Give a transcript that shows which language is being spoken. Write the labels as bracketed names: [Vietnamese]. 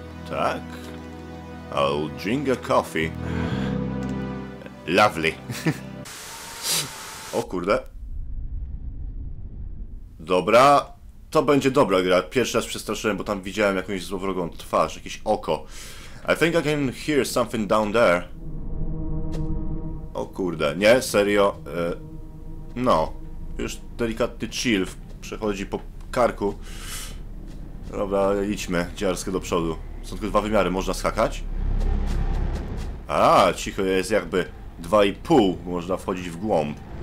[Polish] Tak? [English] I'll drink a coffee. Lovely. [Polish] O kurde. Dobra. To będzie dobra gra. Pierwszy raz przestraszyłem, bo tam widziałem jakąś złowrogą twarz, jakieś oko. [English] I think I can hear something down there. [Polish] O kurde, nie, serio. No, już delikatny chill przechodzi po karku. Dobra, idźmy, dziarskę do przodu. Są tylko dwa wymiary, można skakać? A, cicho, jest jakby 2,5, można wchodzić w głąb.